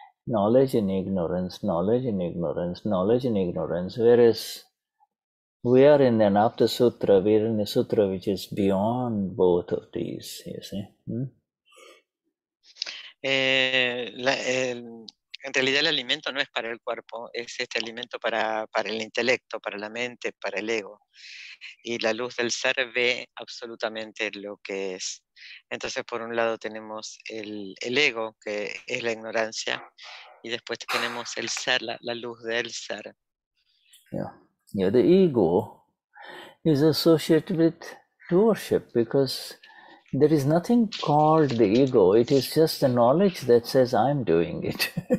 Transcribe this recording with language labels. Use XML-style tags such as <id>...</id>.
<en>Knowledge and ignorance, knowledge and ignorance, knowledge and ignorance. Whereas we are in an Aptasutra, we are in a sutra which is beyond both of these, you see.</en> <es>La, En realidad el alimento no es para el cuerpo, es este alimento para el intelecto, para la mente, para el ego. Y la luz del ser ve absolutamente lo que es. Entonces por un lado tenemos el ego, que es la ignorancia, y después tenemos el ser, la luz del ser.</es> <en>Yeah. Yeah, the ego is associated with doership, because there is nothing called the ego. It is just the knowledge that says, I'm doing it.</en>